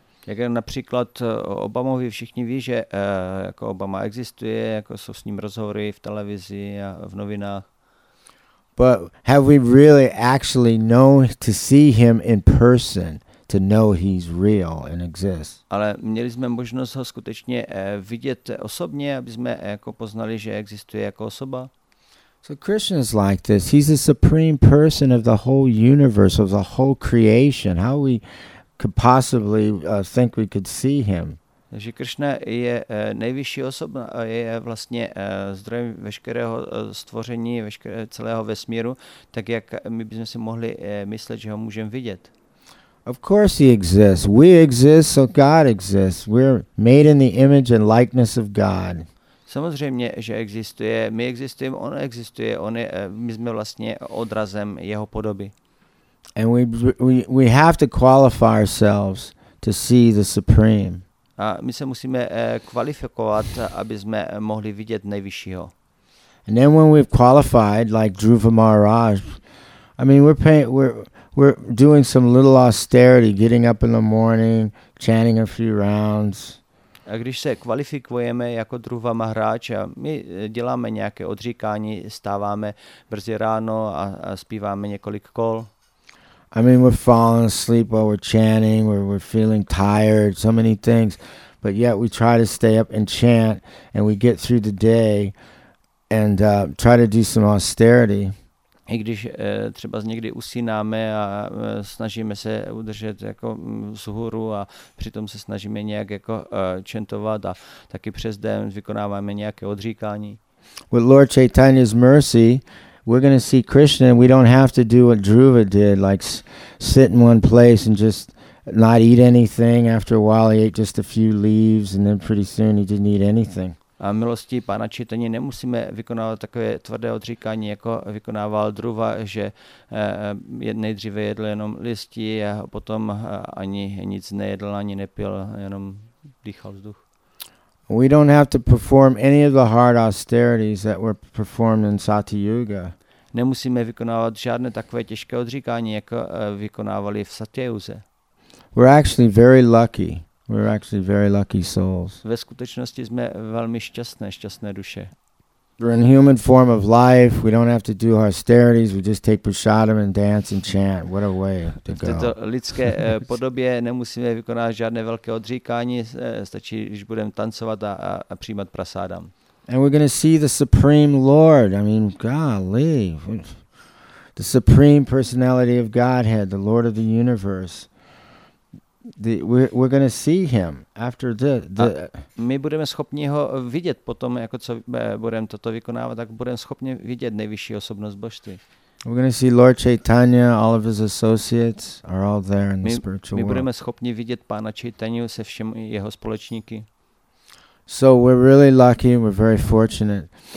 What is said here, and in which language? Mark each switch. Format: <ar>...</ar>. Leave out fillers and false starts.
<cs>Jak například Obamovi všichni ví, že jako Obama existuje, jako jsou s ním rozhovory v televizi a v novinách.</cs> <en>But have we really actually known to see him in person to know he's real and exists?</en> <cs>Ale měli jsme možnost ho skutečně vidět osobně, aby jsme jako poznali, že existuje jako osoba.</cs> <en>So Krishna is like this. He's the supreme person of the whole universe, of the whole creation. How we could possibly think we could see him?</en> <cs>Takže Krishna je nejvyšší osoba, je vlastně zdrojem veškerého stvoření, veškerého celého vesmíru, tak jak my bychom si mohli myslet, že ho můžeme vidět.</cs> <en>Of course he exists. We exist, so God exists. We're made in the image and likeness of God.</en> <cs>Samozřejmě, že existuje, my existujeme, on existuje, on je, my jsme vlastně odrazem jeho podoby.</cs> <en>And we have to qualify ourselves to see the supreme.</en> <cs>A my se musíme kvalifikovat, aby jsme mohli vidět nejvyššího.</cs> <en>And then when we've qualified, like Dhruva Maharaj, I mean, we're doing some little austerity, getting up in the morning, chanting a few rounds.</en> <cs>A když se kvalifikujeme jako Dhruva Maharaj, my děláme nějaké odříkání, stáváme brzy ráno a zpíváme několik kol.</cs> <en>I mean, we're falling asleep while we're chanting, we're feeling tired, so many things, but yet we try to stay up and chant, and we get through the day, and try to do some austerity.</en> <cs>I když třeba někdy usínáme a snažíme se udržet jako vzhůru a přitom se snažíme nějak jako chantovat a taky přes den vykonáváme nějaké odříkání.</cs> <en>With Lord Chaitanya's mercy, we're going to see Krishna and we don't have to do what Dhruva did, like sit in one place and just not eat anything. After a while he ate just a few leaves and then pretty soon he didn't eat anything.</en> <cs>A milosti Pána Čitaně nemusíme vykonávat takové tvrdé odříkání, jako vykonával Dhruva, že nejdříve jedl jenom listí a potom ani nic nejedl, ani nepil, jenom dýchal vzduch.</cs> <en>We don't have to perform any of the hard austerities that were performed in Sati Yuga.</en> <cs>Nemusíme vykonávat žádné takové těžké odříkání, jako vykonávali v Satyayuze.</cs> <en>We're actually very lucky. We're actually very lucky souls.</en> <cs>Ve skutečnosti jsme velmi šťastné duše.</cs> <en>We're in human form of life. We don't have to do austerities. We just take prasadam and dance and chant. What a way to go.</en> <cs>V této lidské podobě nemusíme vykonávat žádné velké odříkání. Stačí, když budeme tancovat a přijímat prasadam.</cs> <en>And we're going to see the Supreme Lord. I mean, golly. The Supreme Personality of Godhead, the Lord of the Universe. We're going to see him after the</en> <cs>my budeme schopni ho vidět potom, jako co budeme toto vykonávat, tak budeme schopni vidět nejvyšší osobnost božství.</cs> <en>We're going to see Lord Chaitanya, all of his associates are all there in the spiritual world.</en> <cs>My budeme schopni vidět Pána Chaitanyu se všemi jeho společníky.</cs> <en>So we're really lucky, we're very fortunate.</en>